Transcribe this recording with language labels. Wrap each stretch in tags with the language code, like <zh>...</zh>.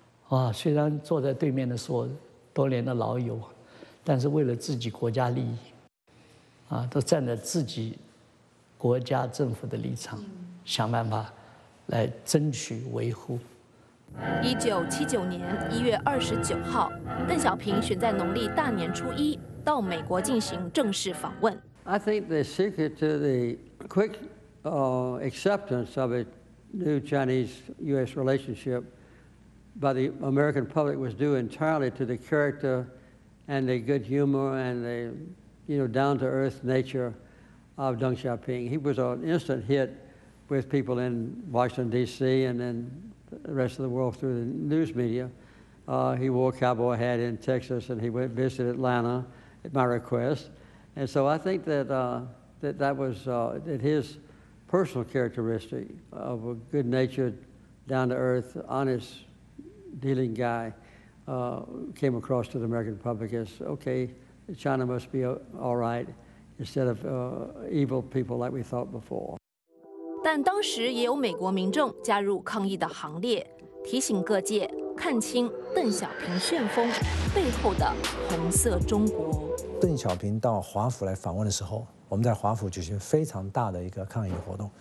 <zh>哇，虽然坐在对面的是我多年的老友，但是为了自己国家利益啊，都站在自己国家政府的立场，想办法来争取维护。 1979年1月29号，邓小平选在农历大年初一到美国进行正式访问。</zh> <en>I think the secret to the quick acceptance of a new Chinese-U.S. relationship by the American public was due entirely to the character and the good humor and the, you know, down-to-earth nature of Deng Xiaoping. He was an instant hit with people in Washington, D.C. and then the rest of the world through the news media. He wore a cowboy hat in Texas and he went visit Atlanta at my request. And so I think that that his personal characteristic of a good-natured, down-to-earth, honest, dealing guy came across to the American public as, okay, China must be all right instead of evil people like we thought before.</en> <zh>但当时也有美国民众加入抗议的行列，提醒各界看清邓小平旋风背后的红色中国。邓小平到华府来访问的时候，我们在华府举行非常大的一个抗议活动。</zh>